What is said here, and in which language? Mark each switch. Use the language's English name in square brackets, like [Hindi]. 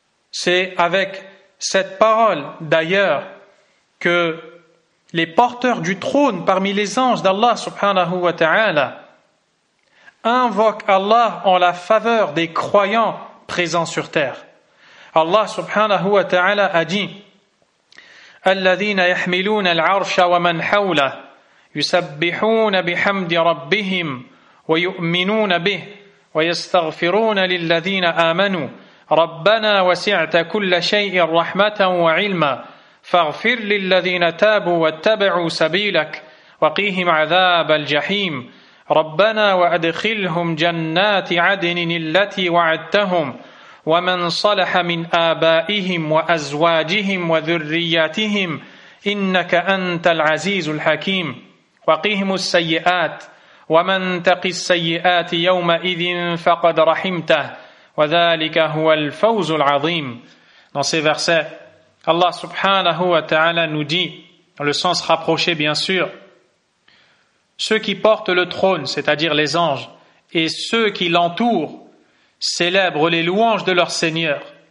[French] C'est avec cette parole, d'ailleurs, que les porteurs du trône parmi les anges d'Allah subhanahu wa ta'ala invoquent Allah en la faveur des croyants présents sur terre. [Arabic] Allah subhanahu wa ta'ala a dit « Alladhina yahmiluna al-arsha wa man hawla » يسبحون بحمد ربهم ويؤمنون به ويستغفرون للذين آمنوا ربنا وسعت كل شيء رحمة وعلما فاغفر للذين تابوا واتبعوا سبيلك وقيهم عذاب الجحيم ربنا وأدخلهم جنات عدن التي وعدتهم ومن صلح من آبائهم وأزواجهم وذرياتهم إنك أنت العزيز الحكيم وقهم السيئات ومن تق السيئات يومئذ فقد رحمته وذلك هو الفوز العظيم. [French] Dans ces versets, Allah subhanahu wa ta'ala nous dit, dans le sens rapproché bien sûr, ceux qui portent le trône, c'est-à-dire les anges, et ceux qui l'entourent, célèbrent les louanges de leur Seigneur.